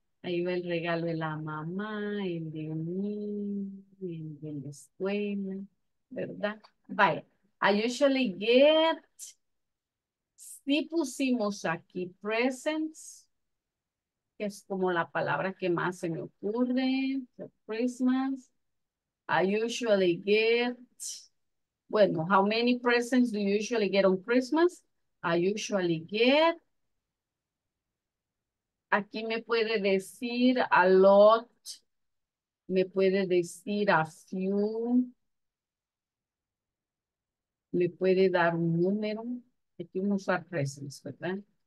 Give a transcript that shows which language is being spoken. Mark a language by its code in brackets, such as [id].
[es] Ahí va el regalo de la mamá, el de mí, el de la escuela, ¿verdad? Vaya. [en] I usually get. [es] Si pusimos aquí presents. Es como la palabra que más se me ocurre [en] for Christmas. I usually get, [es] bueno, [en] how many presents do you usually get on Christmas? I usually get, [es] aquí me puede decir a lot, me puede decir a few, le puede dar un número, aquí vamos a usar presents, ¿verdad?